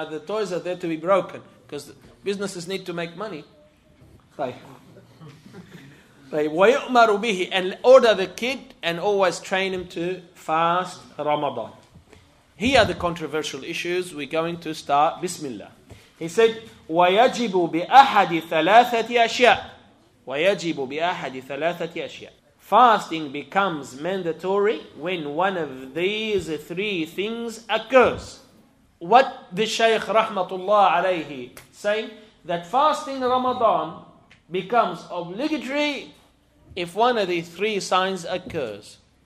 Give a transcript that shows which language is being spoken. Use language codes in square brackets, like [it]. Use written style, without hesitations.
[en] The toys are there to be broken, because businesses need to make money. [ar] وَيُؤْمَرُ بِهِ. [en] And order the kid and always train him to fast Ramadan. Here are the controversial issues. We're going to start. Bismillah. He said, [ar] وَيَجِبُ بِأَحَدِ ثَلَاثَةِ أَشْيَاءِ وَيَجِبُ بِأَحَدِ ثَلَاثَةِ أَشْيَاءِ. [en] Fasting becomes mandatory when one of these three things occurs. What the Shaykh Rahmatullah alayhi saying? That fasting Ramadan becomes obligatory if one of these three signs occurs.